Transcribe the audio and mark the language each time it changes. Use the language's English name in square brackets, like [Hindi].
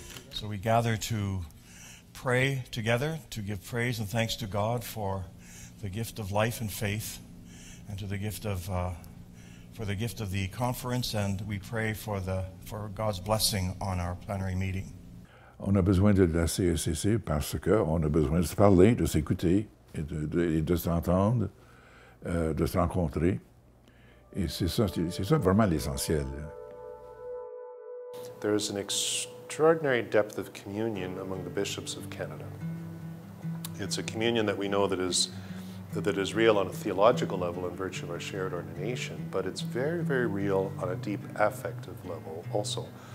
[English] So we gather to pray together, to give praise and thanks to God for the gift of life and faith, and to the gift of for the gift of the conference, and we pray for God's blessing on our plenary meeting. [French] On a besoin de la CECC parce qu'on a besoin de se parler, de s'écouter, et de s'entendre, de se rencontrer. Et c'est ça vraiment l'essentiel. [English] There is an extraordinary depth of communion among the bishops of Canada. It's a communion that we know that is real on a theological level in virtue of our shared ordination, but it's very, very real on a deep affective level also.